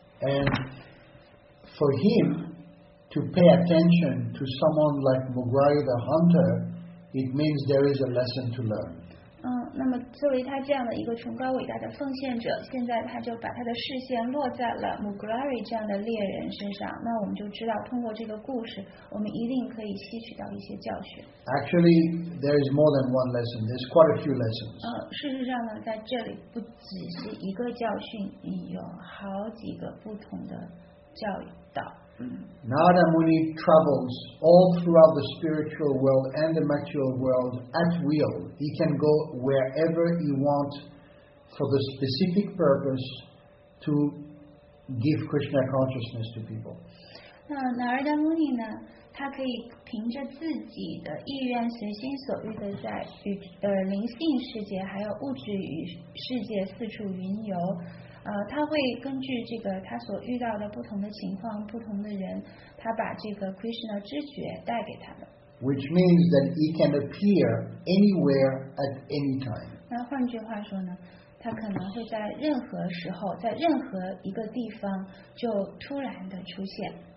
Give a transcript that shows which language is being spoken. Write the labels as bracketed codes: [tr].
[en] And for him to pay attention to someone like Mugrai the hunter, it means there is a lesson to learn. [zh] 那么作为他这样的一个崇高伟大的奉献者，现在他就把他的视线落在了 Mugrai 这样的猎人身上。那我们就知道，通过这个故事，我们一定可以吸取到一些教训。 [en] Actually, there is more than one lesson. There's quite a few lessons. [zh] 事实上呢，在这里不只是一个教训，有好几个不同的教导。 [en] Narada Muni travels all throughout the spiritual world and the material world at will. He can go wherever he wants for the specific purpose to give Krishna consciousness to people. [zh] Narada Muni 呢，他可以凭着自己的意愿随心所欲的在灵性世界还有物质与世界四处云游。他会根据这个他所遇到的不同的情况不同的人他把这个 Krishna 知觉带给他们 [en] which means that he can appear anywhere at any time [zh] 那换句话说呢他可能会在任何时候在任何一个地方就突然的出现